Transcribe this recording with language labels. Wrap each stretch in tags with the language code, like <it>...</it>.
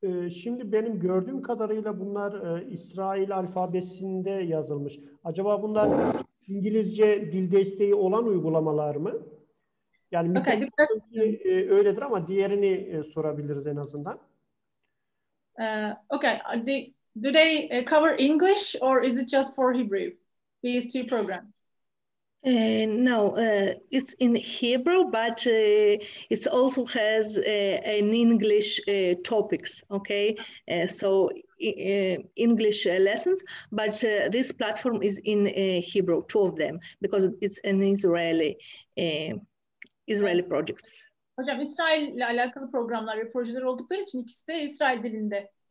<tr>Şimdi benim gördüğüm kadarıyla bunlar İsrail alfabesinde yazılmış. Acaba bunlar İngilizce dil desteği olan uygulamalar mı? Yani öyledir, ama diğerini sorabiliriz en azından.</tr> <en>Okay, the do they cover English or is it just for Hebrew, these two programs? No, it's in Hebrew, but it also has an English topics, okay? So English lessons, but this platform is in Hebrew, two of them, because it's an Israeli project.</en> <tr>Hocam, İsrail'le alakalı programlar ve projeler oldukları için ikisi de İsrail dilinde.</tr>